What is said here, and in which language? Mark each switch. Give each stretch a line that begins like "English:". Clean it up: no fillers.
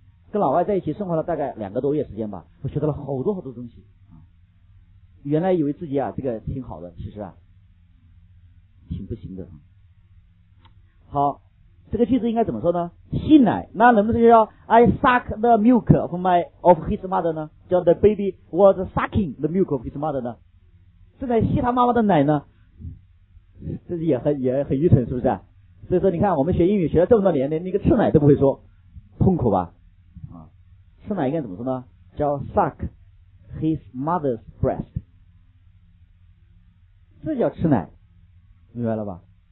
Chinese: 跟老外在一起生活了大概两个多月时间吧，我学到了好多好多东西啊。原来以为自己啊这个挺好的，其实啊挺不行的。好，这个句子应该怎么说呢？吸奶，那能不能叫
English: I suck the milk of my of his mother
Chinese: 呢？叫
English: the baby was sucking the milk of his mother
Chinese: 呢？正在吸他妈妈的奶呢？这也很愚蠢，是不是？所以说，你看我们学英语学了这么多年，连那个吃奶都不会说，痛苦吧？啊，吃奶应该怎么说呢？叫
English: suck his mother's breast，
Chinese: 这叫吃奶，明白了吧？